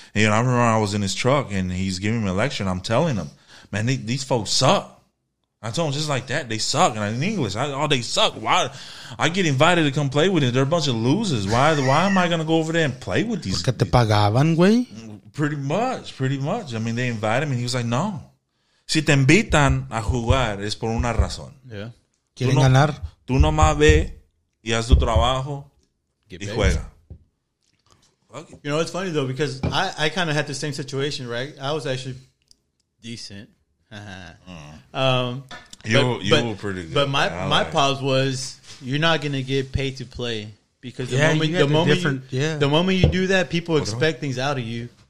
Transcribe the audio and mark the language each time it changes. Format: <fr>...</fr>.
<en>And, you know, I remember I was in his truck and he's giving me a lecture. And I'm telling him, man, these folks suck. I told him just like that. They suck. And in English, they suck. Why? I get invited to come play with them. They're a bunch of losers. Why am I going to go over there and play with these?</en> <es>Porque te pagaban, güey?</es> <en>Pretty much. I mean, they invited me. And he was like, no.</en> <es>Si te invitan a jugar, es por una razón.</es> <en>Yeah.</en> <es>Quieren ganar. Tú nomás ve y haz tu trabajo y juega.</es> <en>You know, it's funny, though, because I kind of had the same situation, right? I was actually decent. You were pretty good. But my pause was, you're not going to get paid to play. Because the moment you do that, people expect things out of you.</en>